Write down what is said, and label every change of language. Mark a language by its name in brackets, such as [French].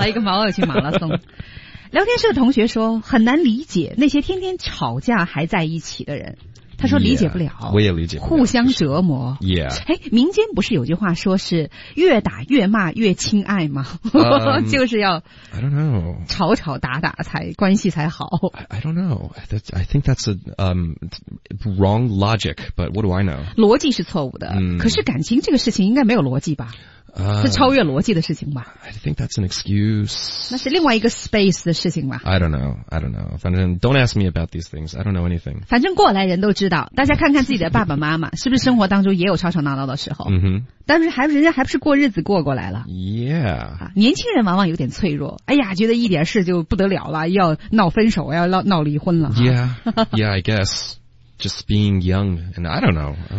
[Chinese] 来一个老友记马拉松聊天室的同学说很难理解那些天天吵架还在一起的人他说理解不了 yeah, 我也理解不了互相折磨、就是 yeah. 哎、民间不是有句话说是越打越骂越亲爱吗、就是要 [English] I don't know [Chinese] 吵吵打打才关系才好 [English] I don't know I think that's a、wrong logic but what do I know [Chinese] 逻辑是错误的、可是感情这个事情应该没有逻辑吧是超越逻辑的事情吧 [English] I think that's an excuse [Chinese] 那是另外一个 space 的事情吧 [English] I don't know [Chinese] 反正 [English] don't ask me about these things I don't know anything [Chinese] 反正过来人都知道大家看看自己的爸爸妈妈是不是生活当中也有吵吵闹闹的时候、但是还人家还不是过日子过来了 [English] yeah、 [Chinese] 啊、年轻人往往有点脆弱哎呀觉得一点事就不得了了要闹分手要 闹离婚了 [English] yeah I guess Just being young, and I don't know.